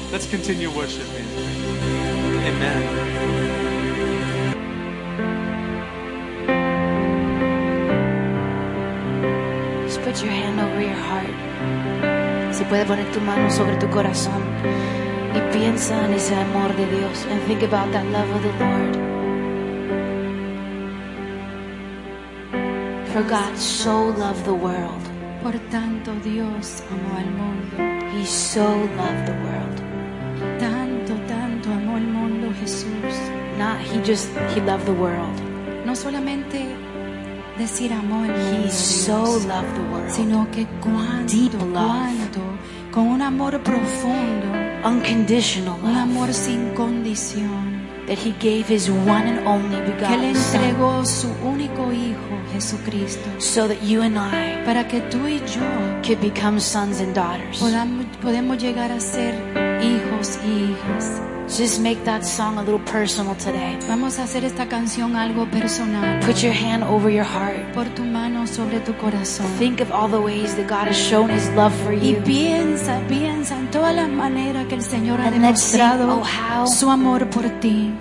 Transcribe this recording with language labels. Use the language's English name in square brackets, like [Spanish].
[English] Let's continue worshiping. Amen. Just put your hand over your heart. [Spanish] Si puedes poner tu mano sobre tu corazón. Y piensa en ese amor de Dios. [English] And think about that love of the Lord. For God so loved the world. [Spanish] Por tanto Dios amó al mundo. [English] He so loved the world. [Spanish] Tanto, tanto amó el mundo Jesús. [English] Not he loved the world. [Spanish] No solamente decir amó el mundo. [English] He so loved the world. [Spanish] Sino que cuánto, [English] deep love. [Spanish] Cuánto, con un amor profundo. [English] Unconditional love. [Spanish] Un amor sin condición. [English] That he gave his one and only begotten [Spanish] que le entregó [English] son. [Spanish] Su único hijo, Jesucristo. [English] So that you and I [Spanish] para que tú y yo [English] could become sons and daughters. [Spanish] Podamos llegar a ser hijos. hermanos y hijas. [English] Just make that song a little personal today. [Spanish] Vamos a hacer esta canción algo personal. [English] Put your hand over your heart. [Spanish] Por tu mano sobre tu corazón. [English] Think of all the ways that God has shown His love for you. [Spanish] Y piensa, piensa en todas las maneras que el Señor ha demostrado su amor por ti.